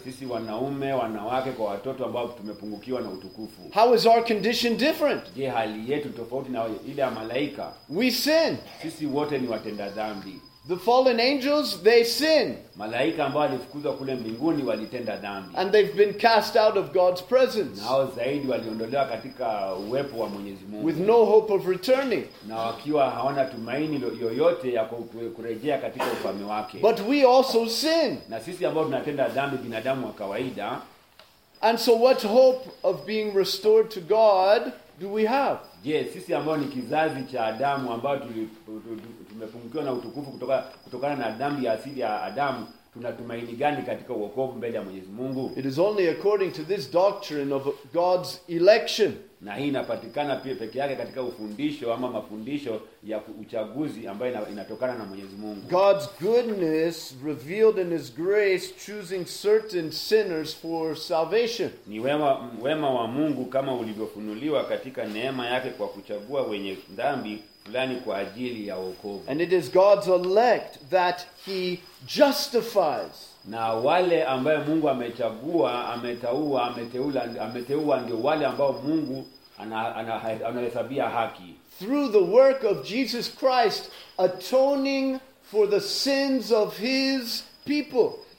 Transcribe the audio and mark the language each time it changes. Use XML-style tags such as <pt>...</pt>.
<sw>Sisi wanaume, wanawake kwa watoto ambao tumepungukiwa na utukufu.</sw> <en>How is our condition different?</en> <sw>Je, hali yetu tofauti na ile ya malaika?</sw> <en>We sin.</en> <sw>Sisi wote ni watenda dhambi.</sw> <en>The fallen angels, they sin.</en> <sw>Malaika ambao walifukuzwa kule mbinguni walitenda dhambi.</sw> <en>And they've been cast out of God's presence.</en> <sw>Nao zaidi waliondolewa katika uwepo wa Mwenyezi Mungu.</sw> <en>With no hope of returning.</en> <sw>Na wakiwa hawana tumaini yoyote ya kurejea katika ufalme wake.</sw> <en>But we also sin.</en> <sw>Na sisi ambao tunatenda dhambi binadamu wa kawaida.</sw> <en>And so what hope of being restored to God do we have?</en> <sw>Yes, sisi ambao ni kizazi cha Adamu ambao tumefungukiwa na utukufu kutokana na dhambi ya asili ya Adamu, tunatumaini gani katika wokovu mbele ya Mwenyezi Mungu?</sw> <en>It is only according to this doctrine of God's election.</en> <sw>Na hii inapatikana pia peke yake katika ufundisho ama mafundisho ya uchaguzi ambayo inatokana na Mwenyezi Mungu.</sw> <en>God's goodness revealed in his grace choosing certain sinners for salvation.</en> <sw>Ni wema wa Mungu kama ulivyofunuliwa katika neema yake kwa kuchagua wenye dhambi fulani kwa ajili ya wokovu.</sw> <en>And it is God's elect that he justifies.</en> <sw>Na wale ambao Mungu amechagua, ametaua, ameteula, ameteua ndio wale ambao Mungu anahesabia haki.</sw> <en>Through the work of Jesus Christ atoning for the sins of his people.</en>